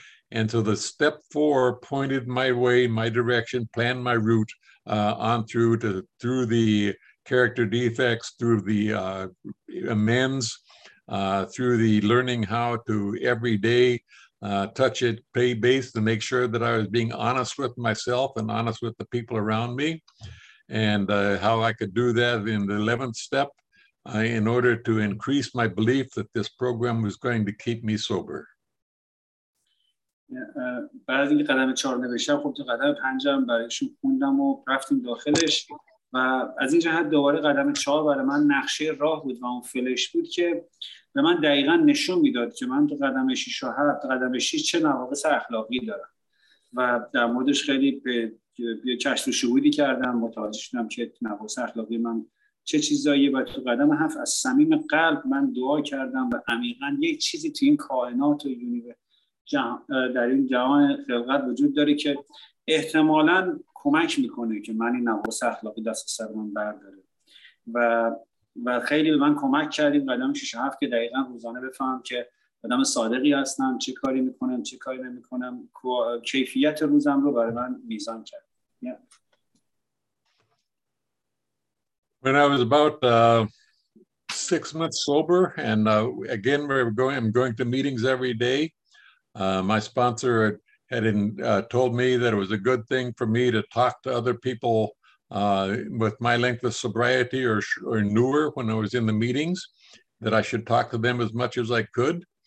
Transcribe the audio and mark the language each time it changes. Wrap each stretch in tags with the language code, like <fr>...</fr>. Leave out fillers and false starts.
<en>And so the step four pointed my way, my direction, planned my route on through the character defects, through the amends, through the learning how to every day touch it, pay base to make sure that I was being honest with myself and honest with the people around me, and how I could do that in the 11th step in order to increase my belief that this program was going to keep me sober.</en> <fa>بعد اینکه قدم چهار نوشتم، خب تو قدم پنجم برایشون خوندم و رفتیم داخلش و از این جهت دوباره قدم چهار برای من نقشه راه بود و اون فلش بود که به من دقیقا نشون میداد که من تو قدم شیش و هفت، قدم شیش چه نواقص اخلاقی دارم و در موردش خیلی به کشف و شهودی کردم، متوجه شدم که نواقص اخلاقی من چه چیزایی. و تو قدم هفت از صمیم قلب من دعا کردم و عمیقا یک چیزی تو این کائنات و یونیورس در این جهان خلقت وجود داره که احتمالا کمک میکنه که من این نواقص اخلاقی دست سر من برداره و خیلی به من کمک کردیم قدم 6 و 7 که دقیقا روزانه بفهم که آدم صادقی هستم، چه کاری میکنم، چه کاری نمیکنم، کیفیت روزم رو برای من میزان کرد.</fa> <en>When I was about 6 months sober and again I'm going to meetings every day, my sponsor had told me that it was a good thing for me to talk to other people with my length of sobriety or newer when I was in the meetings, that I should talk to them as much as I could.</en>